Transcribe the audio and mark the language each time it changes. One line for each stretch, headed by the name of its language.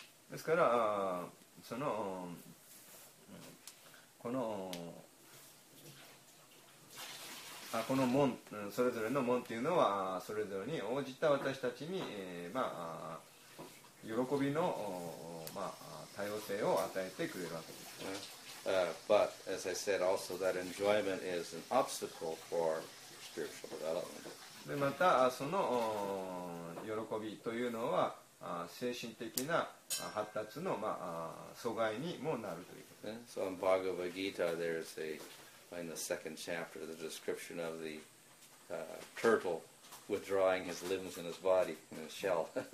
Japanese: ですから、その、この、この門、それぞれの門というのは、それぞれに応じた私たちに、まあ、喜びの、まあ、多様性を与えてくれるわけです。
English: But as I said, also that enjoyment is an obstacle for spiritual development.
Japanese: でまたその喜びというのは精神的な発達の、まあ、阻害にもなるということです。
English: So in Bhagavad Gita, there is a in the second chapter the description of the turtle withdrawing his limbs and his body in his shell.